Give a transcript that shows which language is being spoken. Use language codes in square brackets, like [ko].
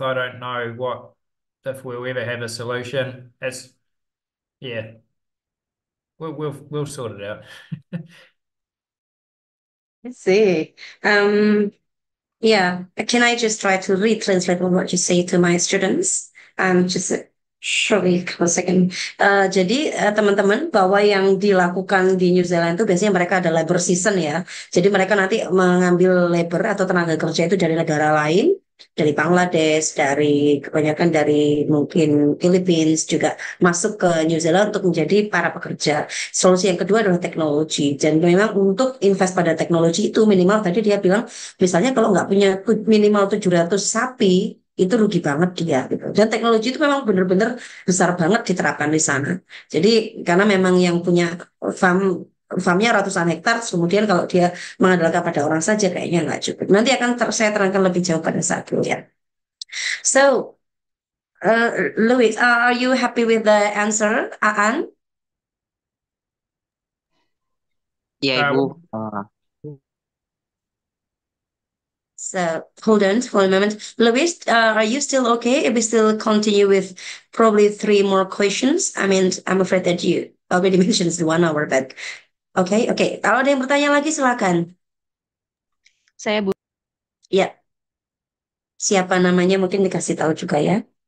[en] I don't know what if we'll ever have a solution. It's yeah. We'll sort it out. Let's see. Yeah. Can I just try to retranslate what you say to my students? Just surely a second. [id] Jadi teman-teman bahwa yang dilakukan di New Zealand itu biasanya mereka ada labor season ya. Jadi mereka nanti mengambil labor atau tenaga kerja itu dari negara lain, dari Bangladesh, dari kebanyakan dari mungkin Philippines juga masuk ke New Zealand untuk menjadi para pekerja. Solusi yang kedua adalah teknologi. Dan memang untuk invest pada teknologi itu minimal tadi dia bilang, misalnya kalau nggak punya minimal 700 sapi, itu rugi banget dia. Gitu. Dan teknologi itu memang benar-benar besar banget diterapkan di sana. Jadi karena memang yang punya farm farmnya ratusan hektar, kemudian kalau dia mengandalkan pada orang saja kayaknya nggak cukup. Nanti akan saya terangkan lebih jauh pada saat itu ya. [en] So, Louis, are you happy with the answer, Aan? [id] Ya, Ibu. [en] So, hold on for a moment. Louis, are you still okay? If we still continue with probably three more questions, I mean, I'm afraid that you already mentioned 1 hour, but okay. [id] Kalau ada yang bertanya lagi, silakan. Saya Bu. Ya. Siapa namanya mungkin dikasih tahu juga ya.